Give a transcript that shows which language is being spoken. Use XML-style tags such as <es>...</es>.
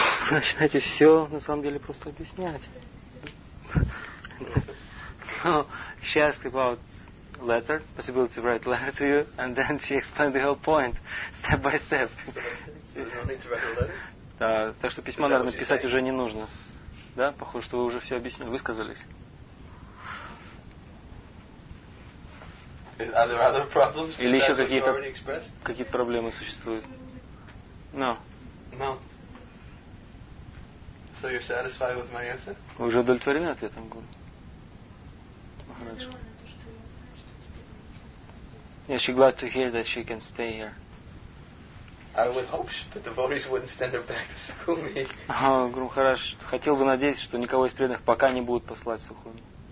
<ru>Начинайте все на самом деле просто объяснять.</ru> <en>So she asked about letter, possibility to write a letter to you, and then she explained the whole point step by step. So need to write a letter?</en> <ru>Так что письма надо написать уже не нужно. Да? Похоже, что вы уже все объяснили, высказались.</ru> <en>Are there other problems?</en> <ru>Или еще какие-то проблемы существуют? No.</ru> <en>No. So you're satisfied with my answer?</en> <ru>Вы уже удовлетворены ответом, Гуру? Хорошо.</ru> <en>Yeah, she's glad to hear that she can stay here. I would hope that the devotees wouldn't send her back to Sukhumi.</en> <ru>Guru Maharaj, хотел бы надеяться, что никого из преданных пока не будут посылать Сухуми.</ru>